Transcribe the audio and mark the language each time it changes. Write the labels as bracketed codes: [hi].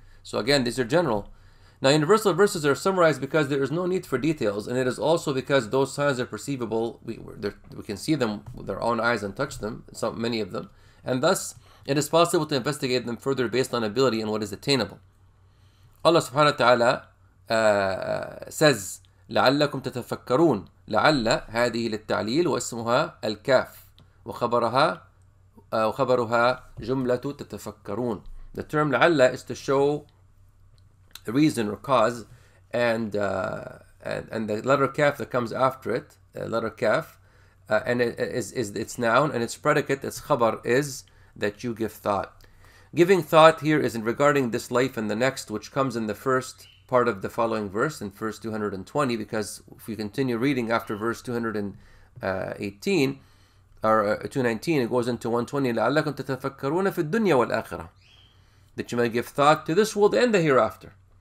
[en] So again, these are general. Now, universal verses are summarized because there is no need for details, and it is also because those signs are perceivable. We can see them with our own eyes and touch them, some, many of them. And thus, it is possible to investigate them further based on ability and what is attainable. Allah subhanahu wa ta'ala says, [ar] لَعَلَّكُمْ تَتَفَكَّرُونَ لَعَلَّ هَذِهِ لِلتَّعْلِيلُ وَاسْمُهَا الْكَافِ وَخَبَرُهَا جُمْلَةُ تَتَفَكَّرُونَ. [en] The term لَعَلَّ is to show the reason or cause, and the letter kaf that comes after it, letter kaf, and it is its noun, and its predicate, its khabar, is that you give thought. Giving thought here is in regarding this life and the next, which comes in the first part of the following verse, in verse 220, because if we continue reading after verse 218, or 219, it goes into 120, [ar] لَعَلَّكُمْ تَتَفَكَّرُونَ فِي الدُّنْيَا وَالْآخِرَةِ, [en] that you may give thought to this world and the hereafter.